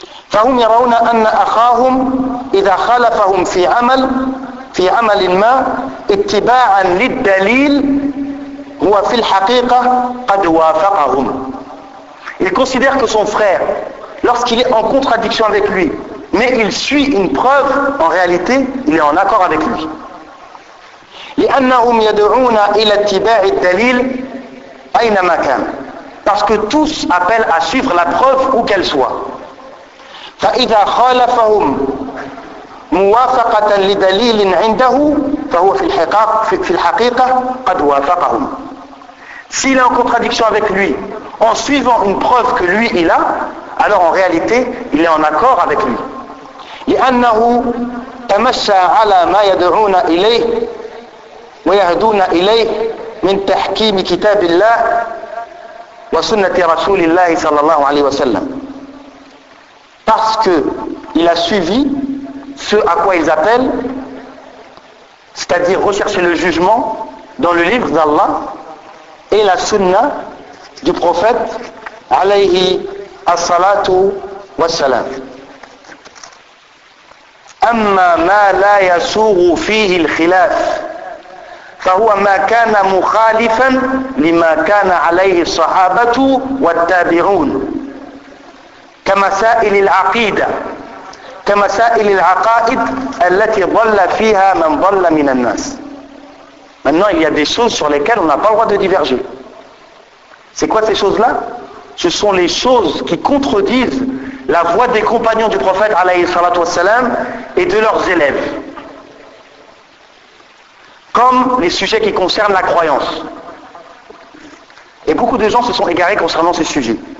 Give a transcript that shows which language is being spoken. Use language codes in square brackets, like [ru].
[ar] فَهُمْ يَرَوْنَ أَنَّ أَخَاهُمْ إِذَا خَلَفَهُمْ فِي عَمَلٍ مَا اتِّبَاعًا لِلْدَلِيلِ هُوَ فِي الْحَقِيقَةِ قَدْ وَافَقَهُمْ. [fr] Ils considèrent que son frère, lorsqu'il est en contradiction avec lui, mais il suit une preuve, en réalité, il est en accord avec lui. [ar] لأنهم يدعون إلى اتباع الدليل أينما كان. [fr] Parce que tous appellent à suivre la preuve où qu'elle soit. [ar] فإذا خالفهم موافقة لدليل عنده فهو في الحقيقة قد وافقهم. [fr] S'il est en contradiction avec lui, en suivant une preuve que lui il a, alors en réalité, il est en accord avec lui. [ar] لأنه تمشى على ما يدعون إليه ويهدون إليه من تحكيم كتاب الله وسنة رسول الله صلى الله عليه وسلم. [fr] Parce que il a suivi ce à quoi ils appellent, c'est-à-dire rechercher le jugement dans le livre d'Allah et la sunna du prophète [ar] alayhi As-salatu wassalam. Amma ma la yasughu fihi al-khilaf fa huwa ma kana mukhalifan lima kana alayhi as-sahabatu wat-tabi'un. كمسائل العقيدة كمسائل العقائد التي ضل فيها من ضل من الناس. [fr] Maintenant, il y a des choses sur lesquelles on n'a pas le droit de diverger. C'est quoi ces choses-là ? Ce sont les choses qui contredisent la voix des compagnons du prophète [ar] alayhi salatu wassalam [fr] et de leurs élèves. Comme les sujets qui concernent la croyance. Et beaucoup de gens se sont égarés concernant ces sujets.